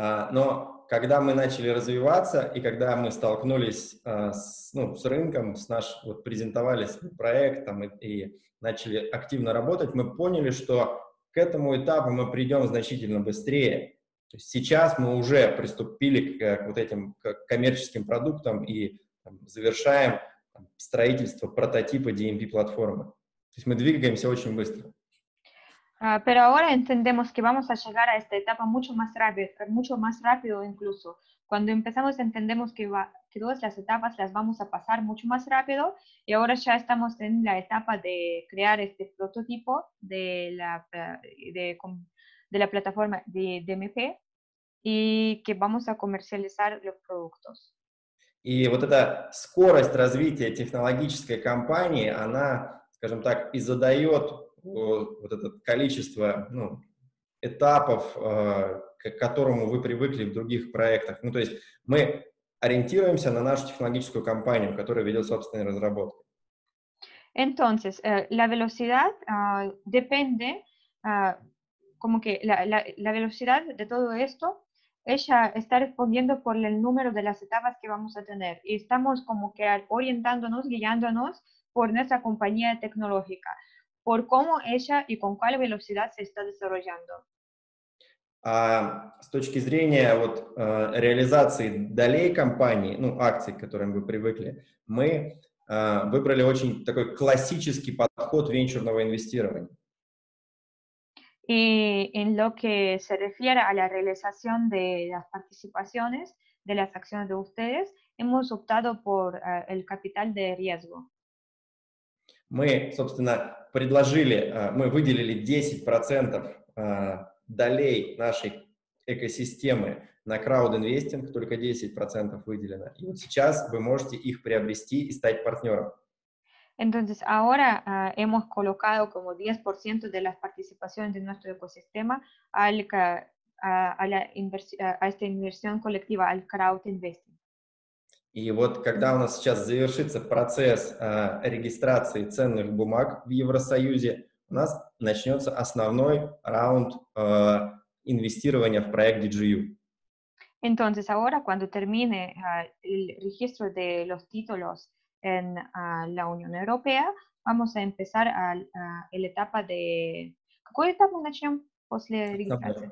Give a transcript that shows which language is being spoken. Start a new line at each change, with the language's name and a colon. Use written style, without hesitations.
Russian: Но когда мы начали развиваться и когда мы столкнулись с рынком, вот презентовали свой проект там, и начали активно работать, мы поняли, что к этому этапу мы придем значительно быстрее. То есть сейчас мы уже приступили к вот этим коммерческим продуктам и там, завершаем там, строительство прототипа DMP-платформы. То есть мы двигаемся очень быстро.
Spanish: Pero ahora entendemos que vamos a llegar a esta etapa mucho más rápido incluso. Cuando empezamos entendemos que, que todas las etapas las vamos a pasar mucho más rápido y ahora ya estamos en la etapa de crear este prototipo de la, de la plataforma de DMP y que vamos a comercializar los productos.
Russian: Y вот эта скорость развития технологической компании, она, скажем так, и задает вот это количество этапов, к которому вы привыкли в других проектах. Ну, то есть мы ориентируемся на нашу технологическую компанию, которая ведет собственные разработки.
Spanish: Entonces, la velocidad depende, como que la velocidad de todo esto, ella está respondiendo por el número de las etapas que vamos a tener. Y estamos como que orientándonos, guiándonos por nuestra compañía tecnológica. Por cómo ella y con cuál velocidad se está desarrollando.
Russian: С точки зрения вот реализации долей компании, ну акций, к которым вы привыкли, мы выбрали очень такой классический подход венчурного инвестирования.
Spanish: Y en lo que se refiere a la realización de las participaciones de las acciones de ustedes, hemos optado por el capital de riesgo.
Russian: Мы, собственно, предложили, мы выделили 10% долей нашей экосистемы на краудинвестинг, только 10% выделено. И вот сейчас вы можете их приобрести и стать партнером.
Spanish: Entonces, ahora hemos colocado como 10% de las participaciones de nuestro ecosistema a esta inversión colectiva, al краудинвестинг.
Russian: И вот когда у нас сейчас завершится процесс регистрации ценных бумаг в Евросоюзе, у нас начнется основной раунд инвестирования в проект DGU.
Spanish: Entonces, ahora, cuando termine el registro de los títulos en la Unión Europea, vamos a empezar el etapa de...
Russian: ¿Какой этап мы начнем после регистрации?